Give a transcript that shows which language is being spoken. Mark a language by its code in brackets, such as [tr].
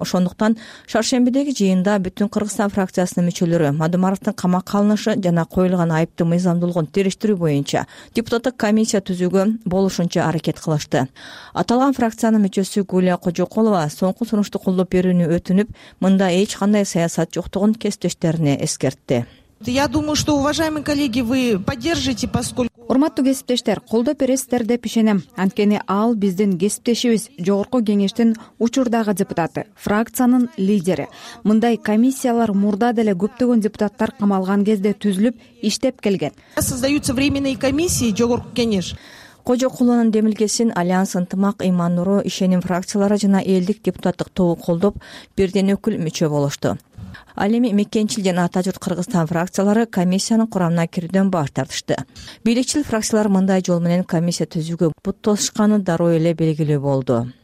[ky] Ошондуктан шаршембидеги жыйында Бүтүн Кыргызстан фракциясынын мүчөлөрү Мадумаровдун камакка алынышы жана коюлган айыптын мыйзамдуулугун териштирүү боюнча депутаттык комиссия түзүүгө болушунча аракет кылышты. Аталган фракциянын мүчөсү Гүлия Кожокулова соңку сунушту колдоп берүүнү өтүнүп, мында эч кандай саясат жоктугун кесиптештерине эскертти. [ru] Я думаю, что уважаемые коллеги, вы поддержите, поскольку [ky] Урматтуу кесиптештер, колдоп бересиздер деп ишенем. Анткени ал биздин кесиптешибиз, Жогорку Кеңештин учурдагы депутаты, фракциянын лидери. Мындай комиссиялар мурда деле көптөгөн депутаттар камалган кезде түзүлүп, иштеп келген. [ru] Создаются временные комиссии, Жогорку Кеңеш. [ky] Кожокулунун демилгесин Альянс Ынтымак, Иман Нуру, Ишеним фракциялары жана элдик депутаттык тобу колдоп, бирден өкүл мүчө болушту. Ал эми Мекенчилден Атажурт Кыргызстан фракциялары комиссиянын курамына кирүүдөн баш тартышты. Бийликчил фракциялар мындай жол менен комиссия түзүүгө буттолушканы дароо эле белгилүү болду.